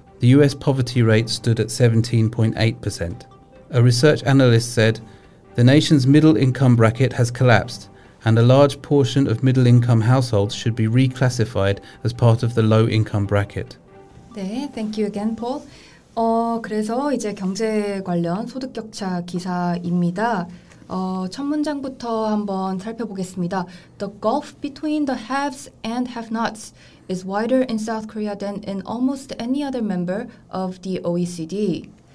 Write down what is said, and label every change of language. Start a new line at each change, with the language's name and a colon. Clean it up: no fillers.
English: The US poverty rate stood at 17.8%. A research analyst said, "The nation's middle income bracket has collapsed, and a large portion of middle income households should be reclassified as part of the low income bracket." 네, thank you again, Paul.
Korean: 그래서 이제 경제 관련 소득 격차 기사입니다. 첫 문장부터 한번 살펴보겠습니다.
English: The gulf between the haves and have-nots is wider in South Korea than in almost any other member of the OECD.